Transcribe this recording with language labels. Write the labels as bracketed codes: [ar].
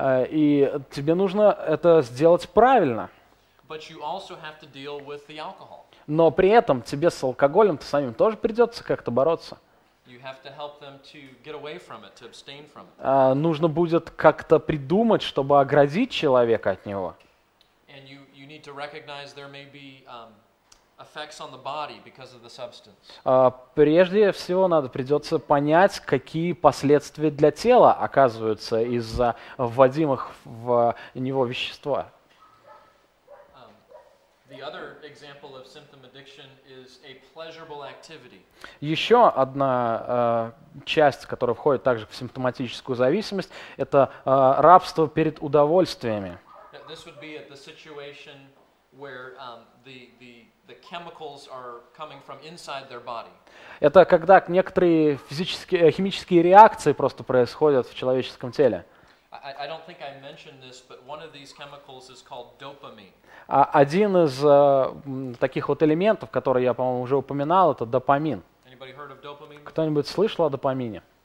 [ru] И тебе нужно это сделать правильно. [en] But you also have to deal with the alcohol. [ru] Но при этом тебе с алкоголем-то самим тоже придется как-то бороться. [en] You have to help them to get away from it, to abstain from it. [ru] Нужно будет как-то придумать, чтобы оградить человека от него. [en] And you need to recognize there may be effects on the body because of the substance. [ru] Прежде всего надо придется понять, какие последствия для тела оказываются из-за вводимых в него вещества. [en] The other example of symptom addiction is a pleasurable activity. [ru] Еще одна часть, которая входит также в симптоматическую зависимость, это рабство перед удовольствиями. [en] This would be at the situation where the chemicals are coming from inside their body. [ru] Это когда некоторые физические химические реакции просто происходят в человеческом теле. [en] I don't think I mentioned this, but one of these chemicals is called dopamine. [ru] Один из таких вот элементов, который я, по-моему, уже упоминал, это допамин. [en] Anybody heard of dopamine? [ru] Кто-нибудь слышал о допамине?